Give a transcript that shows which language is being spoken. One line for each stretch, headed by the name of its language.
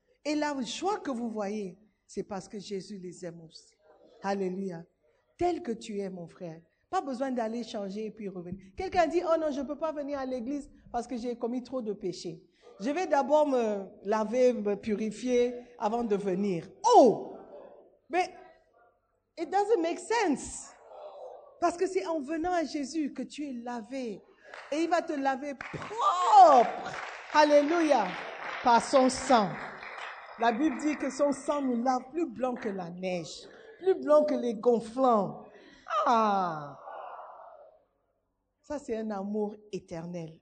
French: Et la joie que vous voyez, c'est parce que Jésus les aime aussi. Alléluia. Tel que tu es, mon frère. Pas besoin d'aller changer et puis revenir. Quelqu'un dit, oh non, je ne peux pas venir à l'église parce que j'ai commis trop de péchés. Je vais d'abord me laver, me purifier avant de venir. Oh! Mais,
English: it doesn't make sense.
French: Parce que c'est en venant à Jésus que tu es lavé. Et il va te laver propre. Alléluia. Par son sang. La Bible dit que son sang nous lave plus blanc que la neige. Plus blanc que les gonflants. Ah! Ça, c'est un amour éternel.